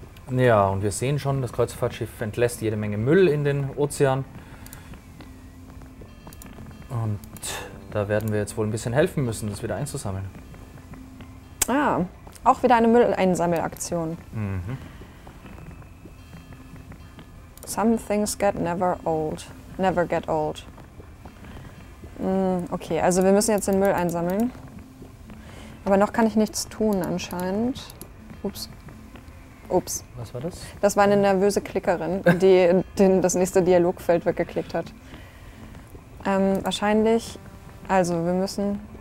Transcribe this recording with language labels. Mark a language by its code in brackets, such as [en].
[de] Ja, und wir sehen schon, das Kreuzfahrtschiff entlässt jede Menge Müll in den Ozean. Und da werden wir jetzt wohl ein bisschen helfen müssen, das wieder einzusammeln. Ah, auch wieder eine Mülleinsammelaktion. Mhm. [en] Some things get never old. Never get old. [de] Okay, also wir müssen jetzt den Müll einsammeln. Aber noch kann ich nichts tun anscheinend. Ups. Ups. Was war das? Das war eine nervöse Klickerin, die das nächste Dialogfeld weggeklickt hat. Wahrscheinlich, also wir müssen...